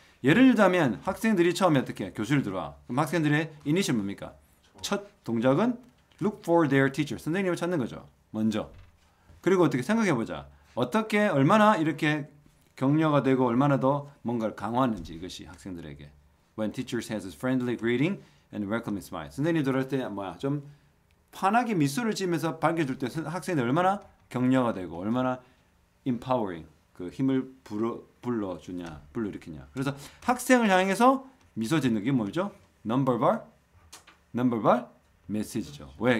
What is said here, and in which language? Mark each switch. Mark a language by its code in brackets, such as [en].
[ko] 예를 들자면 학생들이 처음에 어떻게 해? 교실 들어와. 그럼 학생들의 이니셜 뭡니까? 첫 동작은 [en] look for their teacher. [ko] 선생님을 찾는 거죠. 먼저. 그리고 어떻게 생각해 보자. 어떻게 얼마나 이렇게 격려가 되고 얼마나 더 뭔가를 강화하는지 이것이 학생들에게. [en] When teacher says a friendly greeting and welcoming smile. [ko] 선생님이 들어올 때 뭐야? 좀 환하게 미소를 지으면서 반겨줄 때 학생들 얼마나 격려가 되고 얼마나 empowering 그 힘을 불러주냐 불러일으키냐. 그래서 학생을 향해서 미소 짓는 게 뭐죠? Non-verbal? Non-verbal? 메시지죠. 왜?